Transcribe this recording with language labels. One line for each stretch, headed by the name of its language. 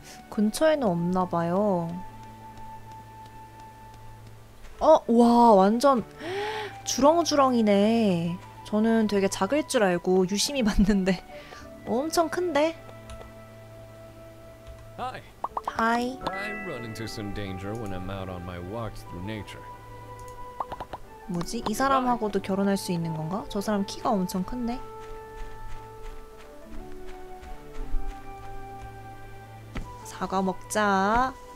Korean: 근처에는 없나봐요. 어? 와, 완전 주렁주렁이네. 저는 되게 작을 줄 알고 유심히 봤는데 엄청 큰데? 하이.
English: I run into some danger when I'm out on my walks through nature.
Korean: 뭐지? 이 사람하고도 결혼할 수 있는 건가? 저 사람 키가 엄청 큰데? 사과 먹자.